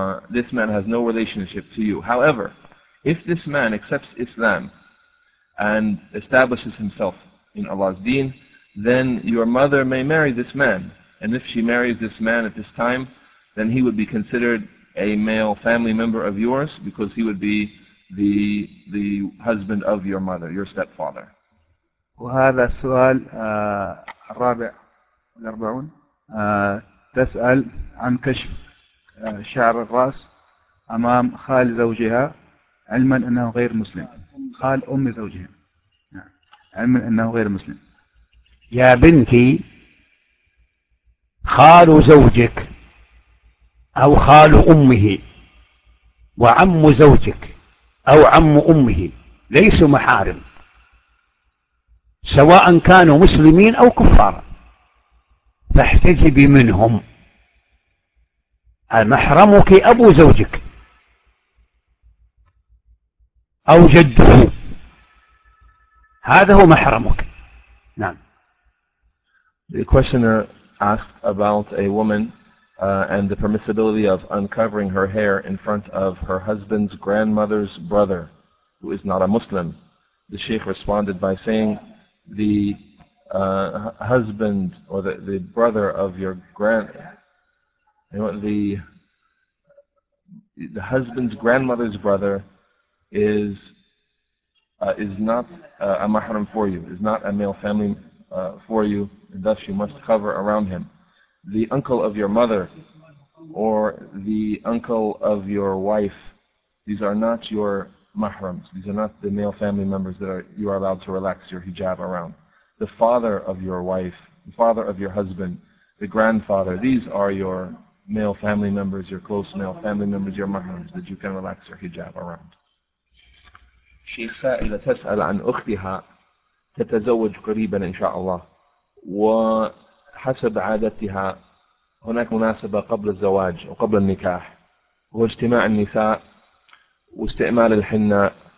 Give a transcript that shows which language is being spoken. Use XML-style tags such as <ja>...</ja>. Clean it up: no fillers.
<en>This man has no relationship to you. However, if this man accepts Islam and establishes himself in Allah's deen, then your mother may marry this man. And if she marries this man at this time, then he would be considered a male family member of yours, because he would be the husband of your mother, your stepfather.</en> <ar>وهذا السؤال الرابع والأربعون تسأل عن كشف شعر الرأس أمام خال زوجها علما أنه غير مسلم، خال أم زوجها علما أنه غير مسلم. يا بنتي، خال زوجك أو خال أمه وعم زوجك أو عم أمه ليسوا محارم، سواء كانوا مسلمين أو كفارا، فاحتجبي منهم. محرمك أبو زوجك أو جده، هذا هو محرمك. نعم.</ar> <en>The questioner asked about a woman and the permissibility of uncovering her hair in front of her husband's grandmother's brother, who is not a Muslim. The Sheikh responded by saying, the husband or the brother of your grand, you know, the husband's grandmother's brother is not a mahram for you, is not a male family for you. Thus you must cover around him. The uncle of your mother or the uncle of your wife, these are not your mahrams. These are not the male family members that you are allowed to relax your hijab around. The father of your wife, the father of your husband, the grandfather, these are your male family members, your close male family members, your mahrams, that you can relax your hijab around.</en> <ar>الشيخ سائلة تسأل عن أختها تتزوج قريبا إن شاء الله، وحسب عادتها هناك مناسبة قبل الزواج وقبل النكاح، واجتماع النساء واستعمال الحناء،</ar>